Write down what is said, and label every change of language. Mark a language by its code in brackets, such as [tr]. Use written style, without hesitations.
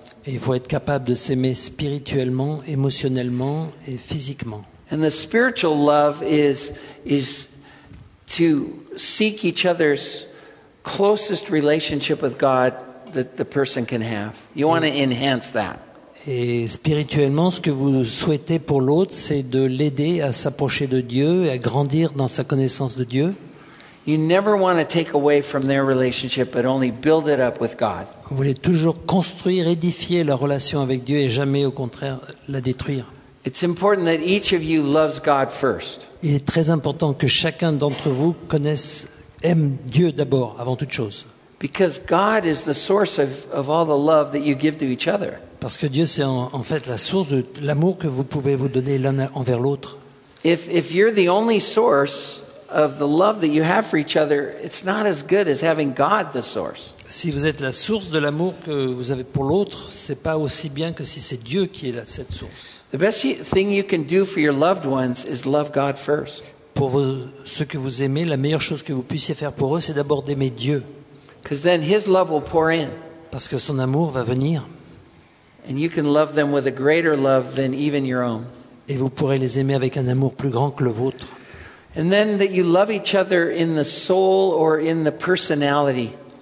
[fr] Et il faut être capable de s'aimer spirituellement, émotionnellement et physiquement. [en] And the spiritual love is to seek each other's closest relationship with God that the person can have. You want to enhance that. [fr] Et spirituellement, ce que vous souhaitez pour l'autre, c'est de l'aider à s'approcher de Dieu et à grandir dans sa connaissance de Dieu. [en] You never want to take away from their relationship, but only build it up with God. [fr] Vous voulez toujours construire, édifier la relation avec Dieu et jamais, au contraire, la détruire. [en] It's important that each of you loves God first. [fr] Il est très important que chacun d'entre vous connaisse, aime Dieu d'abord, avant toute chose. [en] Because God is the source of all the love that you give to each other. [fr] Parce que Dieu c'est en fait la source de l'amour que vous pouvez vous donner l'un envers l'autre. [en] If you're the only source of the love that you have for each other, it's not as good as having God the source. [fr] Si vous êtes la source de l'amour que vous avez pour l'autre, c'est pas aussi bien que si c'est Dieu qui est cette source. [en] The best thing you can do for your loved ones is love God first. [fr] Pour vos, ceux que vous aimez, la meilleure chose que vous puissiez faire pour eux, c'est d'abord d'aimer Dieu. [en] Because then His love will pour in. [fr] Parce que son amour va venir. [en] And you can love them with a greater love than even your own. [fr] Et vous pourrez les aimer avec un amour plus grand que le vôtre. [en] And then that you love each other in the soul or in the personality.